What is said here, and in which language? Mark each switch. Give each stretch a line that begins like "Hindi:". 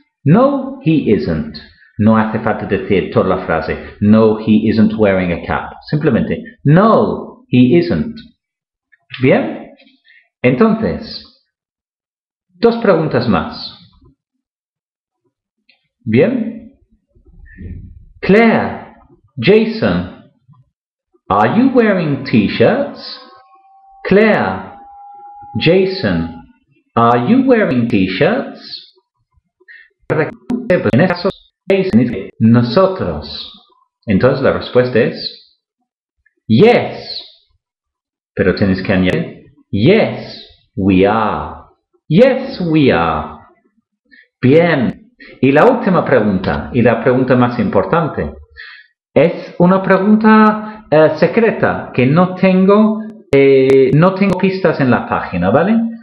English: No, he isn't.
Spanish: No hace falta decir toda la frase.
English: No, he isn't wearing a cap. Simplemente, no, he isn't. Bien.
Spanish: Entonces, dos preguntas más. Bien.
English: Claire, Jason, are you wearing t-shirts? Claire, Jason, are you wearing t-shirts?
Spanish: En este caso, Jason dice, nosotros. Entonces la respuesta es, yes. Pero tienes que añadir,
English: yes, we are. Yes, we are.
Spanish: Bien. Y la última pregunta, y la pregunta más importante, es una pregunta secreta que no tengo pistas en la página, ¿vale?